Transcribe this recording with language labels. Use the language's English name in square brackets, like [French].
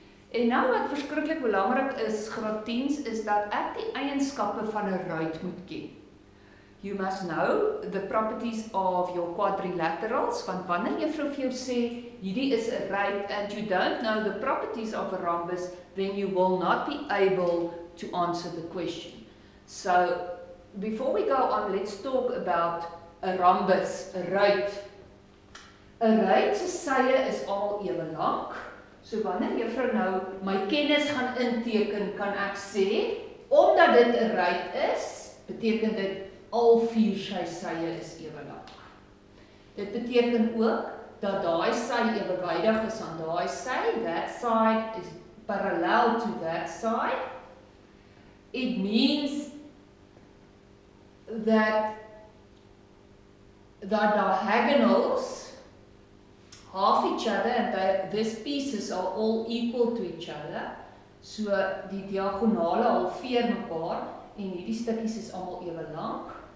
[Afrikaans] En nou wat verskriklik belangrik is graad 10 is dat ek die eienskappe van 'n ruit moet ken. [English] You must know the properties of your quadrilaterals, [Afrikaans] want wanneer juffrou vir jou sê hierdie is 'n ruit [English] and you don't know the properties of a rhombus, then you will not be able to answer the question. So, before we go on, let's talk about a rhombus, a ruit. [Afrikaans] A ruit se sye is al ewe lank. So wanneer juffrou nou my kennis gaan inteken, kan ek sê omdat dit 'n ruit is, beteken dit al vier sy sye is ewe lank. Dit beteken ook dat daai sy ewewydig is aan daai sy. [English] That side is parallel to that side. It means that diagonals half each other and that these pieces are all equal to each other. [Afrikaans] So die diagonale halveer mekaar en hierdie stukkies is almal ewe lank.